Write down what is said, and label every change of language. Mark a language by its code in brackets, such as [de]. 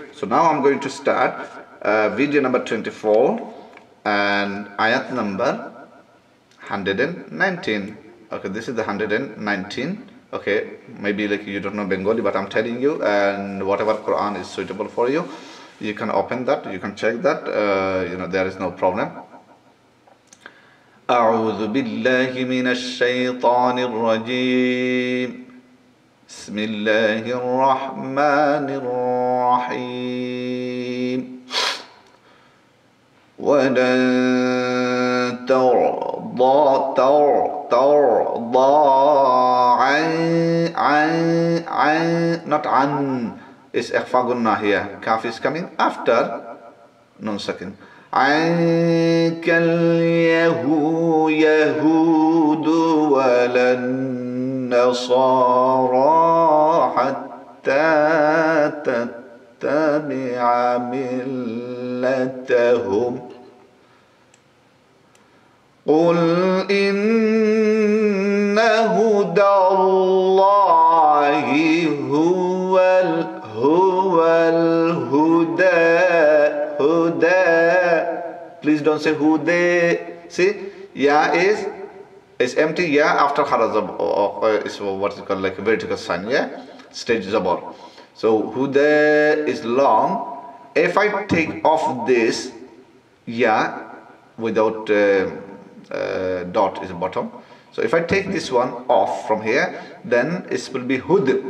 [en] So now I'm going to start video number 24 and ayat number 119. Okay, this is the 119. Okay, maybe like you don't know Bengali, but I'm telling you, and whatever Quran is suitable for you, you can open that, you can check that, you know, there is no problem. [ar] أعوذ بالله من الشيطان الرجيم بسم الله الرحمن الرحيم ولن ترضى [en] is ikhfa gunnah here. Kaf is coming after non sakin. [ar] عنك اليهود ولن نصارى حتى تتبع ملتهم قل إن هدى الله هو الهدى هدى. [en] Please don't say who they. See, yeah is, it's empty, yeah, after haraz is what is called like a vertical sign, yeah, stage zabar. So who they is long. If I take off this yeah without dot is bottom, so if I take this one off from here, then it will be hud.